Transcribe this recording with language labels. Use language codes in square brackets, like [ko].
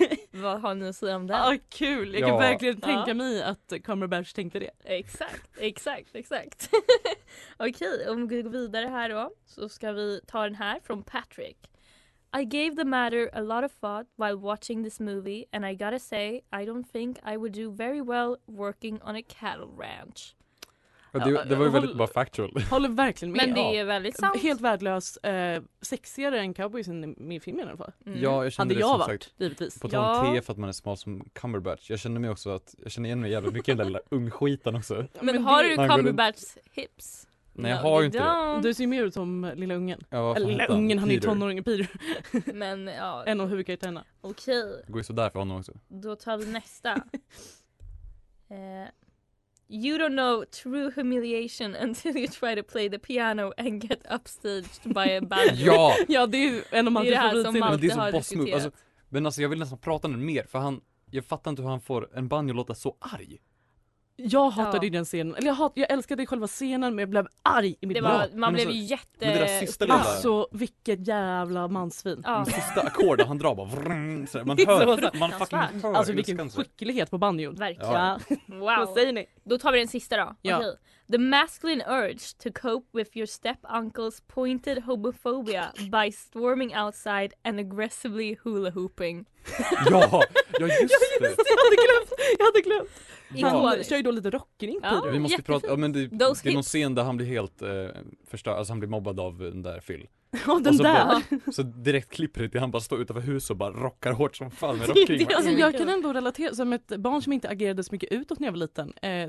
[sv] Vad har ni att säga om det? Ah, kul, jag kan verkligen tänka mig att Cumberbatch tänkte det. Exakt. Okej, om vi går vidare här då så ska vi ta den här från Patrick. [en] I gave the matter a lot of thought while watching this movie and I gotta say, I don't think I would do very well working on a cattle ranch. [sv] Det var ju väldigt bara factual. Håller verkligen med. Men det är väldigt sant. Helt värdelös. Sexigare än cowboys i filmen i alla fall. Mm. Ja, jag kände hade jag det, som varit, sagt, givetvis. På tal om te för att man är smal som Cumberbatch. Jag känner mig också att, jag känner igen mig jävligt mycket den där ungskiten också. Men har du Cumberbatch hips? Nej, jag har ju inte. Du ser ju mer ut som lilla ungen. Ja, eller ungen, han är ju tonåring Peter. Men ja. En av huvudkaraktärerna. Okej. Det går ju sådär för honom också. Då tar vi nästa. [en] You don't know true humiliation until you try to play the piano and get upstaged by a band. [sv] Ja! Ja, det är ju en av Malte favoriterna. Men det är som [en] boss move. [sv] Alltså, men alltså, jag vill nästan prata med mer, för han, jag fattar inte hur han får en banjo låta så arg. Jag hatade den scenen. Eller jag älskade själva scenen, men jag blev arg i mitt band. Man blev alltså, jätte... Alltså, vilket jävla mansvin. Ja. Den sista akkorden, han drar bara... Vrung, så man hör, man fucking hör. Alltså, vilken skicklighet på banjo. Verkligen. Ja. Wow. Vad säger ni? Då tar vi den sista då. Ja. Okay. [en] The masculine urge to cope with your step-uncle's pointed homophobia by storming outside and aggressively hula-hooping. [sv] Ja, ja just, ja, just det. Jag hade glömt. Han kör ju då lite rockning. Ja, vi måste prata. Ja, men det är någon scen där han blir helt förstörd. Alltså han blir mobbad av den där Phil. Ja, den så där. Bara, så direkt klipper det till han bara står utanför huset och bara rockar hårt som fall med rockring. Alltså, jag kan ändå relatera. Som ett barn som inte agerade så mycket utåt när jag var liten så är det väl